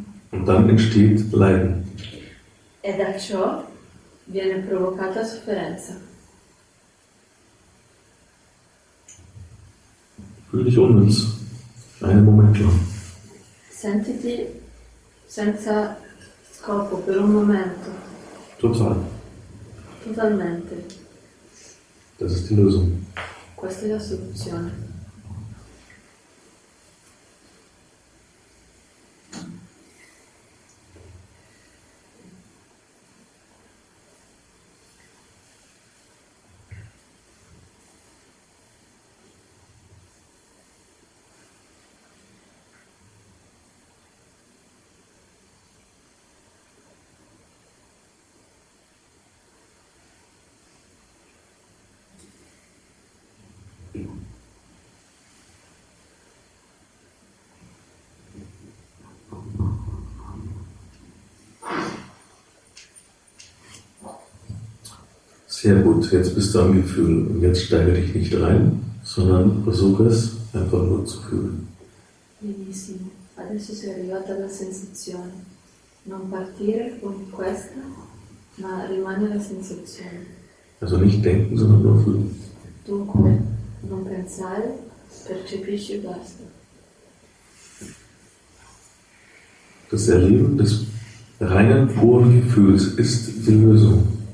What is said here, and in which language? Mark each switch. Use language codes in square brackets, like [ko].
[de] Und dann entsteht Leiden. [it] E da ciò viene provocata sofferenza. [de] Fühl dich unnütz, einen Moment lang. [it] Sentiti senza scopo per un momento. [de] Total. [it] Totalmente. [de] Das ist die Lösung. [it] Questa è la soluzione. [de] Sehr gut, jetzt bist du am Gefühl und jetzt steige dich nicht rein, sondern versuche es einfach nur zu fühlen. [it] Benissimo, adesso sei arrivata alla sensazione. Non partire con questa, ma rimane la sensazione. [de] Also nicht denken, sondern nur fühlen. [it] Dunque, non pensare, percepisci e basta. [de] Das Erleben des reinen, puren Gefühls ist die Lösung.